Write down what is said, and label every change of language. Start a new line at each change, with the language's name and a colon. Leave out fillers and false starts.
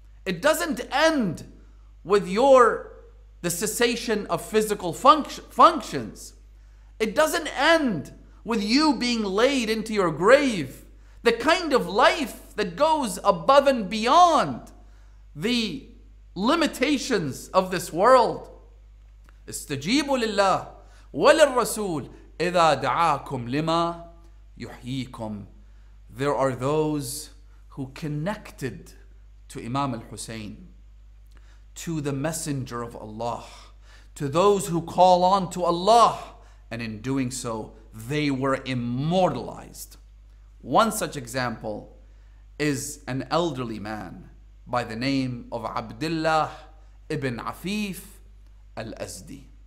English: It doesn't end with the cessation of physical functions. It doesn't end with you being laid into your grave. The kind of life that goes above and beyond the limitations of this world.
Arabic: استجيبوا لله وللرسول إذا دعاكم لما يحييكم.
English: There are those who connected to Imam al-Hussein, to the Messenger of Allah, to those who call on to Allah, and in doing so, they were immortalized. One such example is an elderly man by the name of Abdullah ibn Afeef al-Azdi.